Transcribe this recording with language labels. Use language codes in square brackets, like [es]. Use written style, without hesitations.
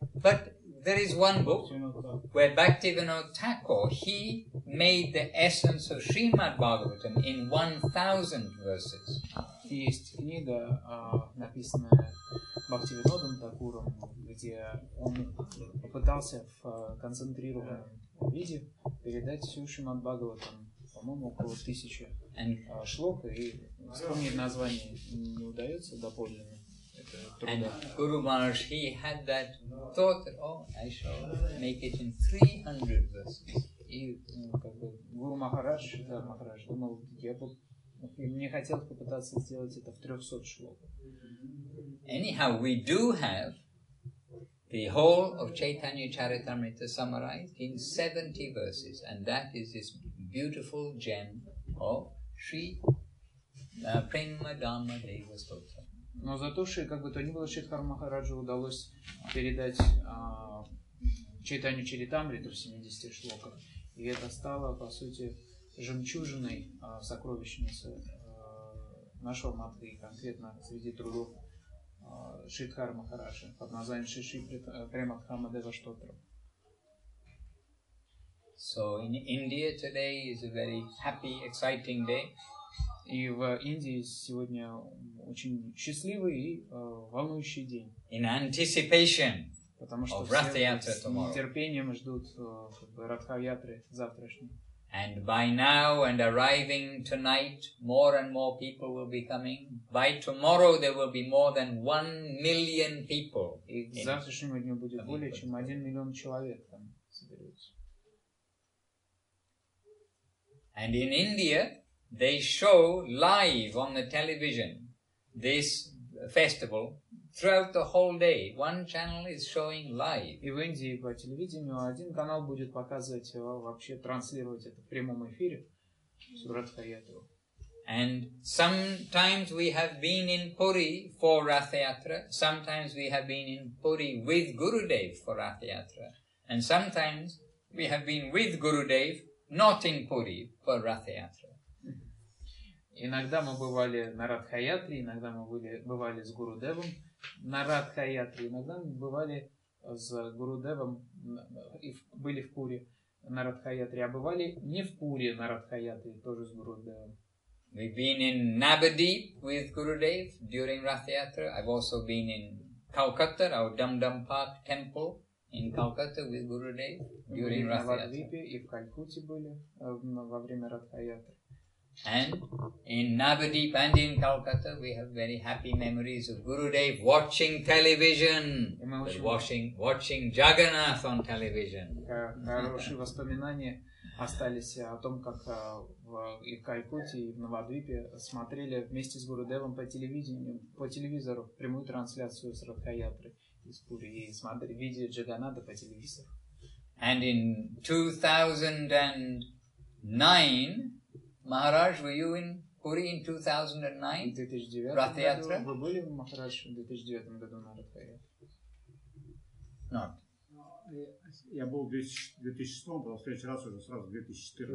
[en] But there is one book where Bhaktivinoda Thakur, he made the essence of Srimad Bhagavatam in 1,000 verses. [ru] Есть книга, написанная Бхактивинодом Такуром, где он попытался в концентрированном виде передать всю Шримад Бхагаватам, по-моему, около 1000 шлок, и вспомнить название не удается доподлинно. [en] And Guru Maharaj, he had that thought that, oh, I shall make it in 300 verses. [ru] И как бы Guru Maharaj, да, Maharaj, думал, мне хотелось попытаться сделать это в 300 шлоках. [en] Anyhow, we do have the whole of Chaitanya Charitamrita summarized in 70 verses, and that is this beautiful gem of Sri Prema Dhamma Deva Stotra. [ru] Но за то, что, как бы то ни было, Шридхар Махараджу удалось передать Чайтанью Чаритамриту в 70 шлоках. И это стало, по сути, жемчужиной сокровищницы нашего матха и конкретно среди трудов Шридхар Махараджа под названием Шиши Премадхама Дева Штотра. [en] So in India today is a very happy, exciting day. [ru] И в Индии сегодня очень счастливый и волнующий день. [en] In anticipation [ru] потому что [en] of Ratha-yatra tomorrow. [ru] С нетерпением ждут Ратха-ятры завтрашнего. [en] And by now and arriving tonight, more and more people will be coming. By tomorrow there will be more than 1 million people. [ru] И к завтрашнему дню будет более чем 1 миллион человек там соберется. [en] And in India, they show live on the television this festival throughout the whole day, one channel is showing live. [ru] И в Индии по телевидению один канал будет показывать, вообще транслировать это в прямом эфире. [en] And sometimes we have been in Puri for Rath Yatra, sometimes we have been in Puri with Gurudev for Rath Yatra, and sometimes we have been with Gurudev, not in Puri, for Rath Yatra. [ru] Иногда мы бывали на Радхаятре, иногда мы бывали с Гурудевом на Радхаятре, иногда мы бывали с Гурудевом и были в Пури на Радхаятре, а бывали не в Пури на Радхаятре, тоже с Гурудевом. [en] We've been in Nabadeep with Gurudev during Rath Yatra. I've also been in Calcutta, our Dum Dum Park temple in Calcutta with Gurudev during Rath Yatra. [ru] В Нагадипе и в Калькутте были во время Радхаятры. [en] And in Nabadeep and in Calcutta, we have very happy memories of Gurudev watching television, watching Jagannath on television. [ru] Хорошие воспоминания остались о том, как и в Калькутте, и в Навадвипе смотрели вместе с Гурудевом по телевизору прямую трансляцию с Радхаятры из Пури и смотрели видео Джаганнатха по телевизору. [en] And in 2009, Maharaj, were you in Puri in 2009? [ru] Вы были в Махарадже в 2009 году на Радхаятре? [en] Not. [ru] Я был в 2006, был в следующий раз уже сразу в 2014.